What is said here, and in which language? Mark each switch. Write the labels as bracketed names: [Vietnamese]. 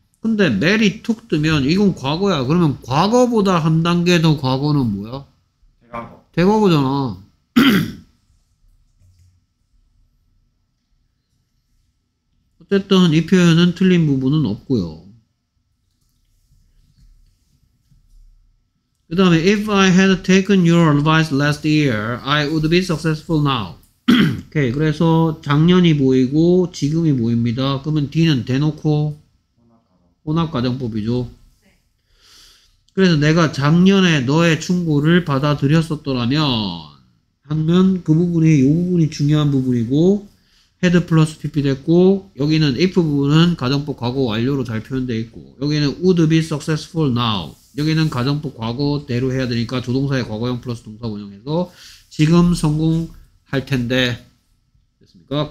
[Korean] 근데 메리 talked면 이건 과거야. 그러면 과거보다 한 단계 더 과거는 뭐야? 대과거. 대과거잖아. 어쨌든 이 표현은 틀린 부분은 없고요. 그 다음에 [English] If I had taken your advice last year, I would be successful now. [Korean] 오케이. 그래서 작년이 보이고 지금이 보입니다. 그러면 D는 대놓고 혼합가정법이죠. 그래서 내가 작년에 너의 충고를 받아들였었더라면 하면 그 부분이 이 부분이 중요한 부분이고 head 플러스 pp 됐고 여기는 if 부분은 가정법 과거 완료로 잘 표현되어 있고 여기는 [English] would be successful now [Korean] 여기는 가정법 과거대로 해야 되니까 조동사의 과거형 플러스 동사 원형에서 지금 성공할 텐데 됐습니까?